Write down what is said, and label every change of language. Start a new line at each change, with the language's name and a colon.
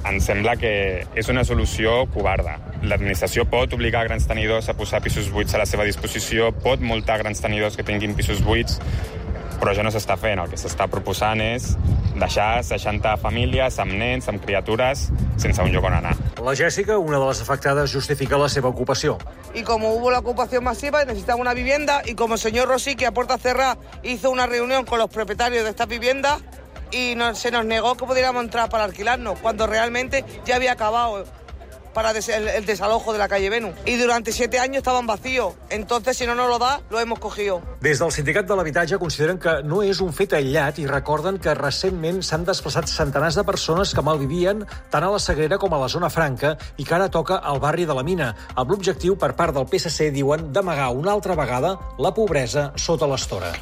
Catalan: Em sembla que és una solució covarda. L'administració pot obligar grans tenidors a posar pisos buits a la seva disposició, pot multar grans tenidors que tinguin pisos buits, però ja no s'està fent. El que s'està proposant és deixar 60 famílies amb nens, amb criatures, sense un lloc on anar. La Jèssica, una de les afectades, justifica la seva ocupació.
Spanish: Y como hubo la ocupación masiva, necesitaba una vivienda, y como el señor Rosique, a puerta cerrada, hizo una reunión con los propietarios de esta vivienda, y no, se nos negó que pudiéramos entrar para alquilarnos cuando realmente ya había acabado para el desalojo de la calle Venus. Y durante 7 años estaban vacíos. Entonces, si no nos lo da, lo hemos cogido.
Catalan: Des del Sindicat de l'Habitatge consideren que no és un fet aïllat i recorden que recentment s'han desplaçat centenars de persones que malvivien tant a la Sagrera com a la Zona Franca i que ara toca al barri de la Mina, amb l'objectiu, per part del PSC, diuen, d'amagar una altra vegada la pobresa sota l'estora.